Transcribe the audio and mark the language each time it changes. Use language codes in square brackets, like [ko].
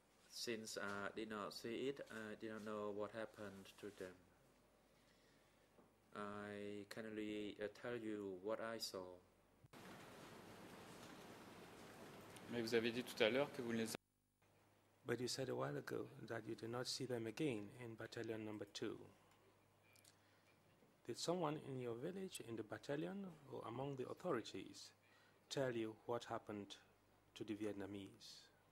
[en] Since I did not see it, I did not know what happened to them. I can only tell you what I saw. [fr] Mais vous avez dit tout à l'heure que vous ne les. [en] But you said a while ago that you did not see them again in battalion number 2. Did someone in your village, in the battalion, or among the authorities, tell you what happened to the Vietnamese?